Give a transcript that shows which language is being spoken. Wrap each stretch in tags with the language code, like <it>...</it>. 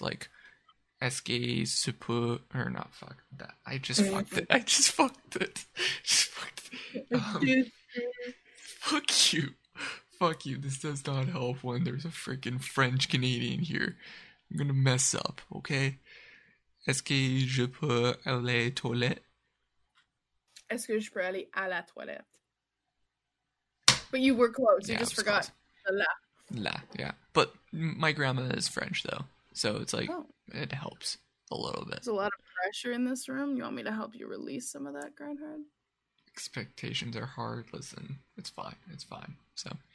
<en>Like,</en> <fr>est-ce que je peux...</fr> <en>Or not, fuck that. I just fucked it. fuck you. Fuck you, this does not help when there's a freaking French-Canadian here. I'm gonna mess up, okay?</en> <fr>Est-ce que je peux aller à la toilette? Est-ce que je peux aller à la toilette?</fr> <en>But you were close, you just forgot.</en> <fr>La,</fr> <en>yeah. But my grandma is French, though. So it's like, it helps a little bit. There's a lot of pressure in this room. You want me to help you release some of that, Grandhead? Expectations are hard, listen. It's fine, so...</en>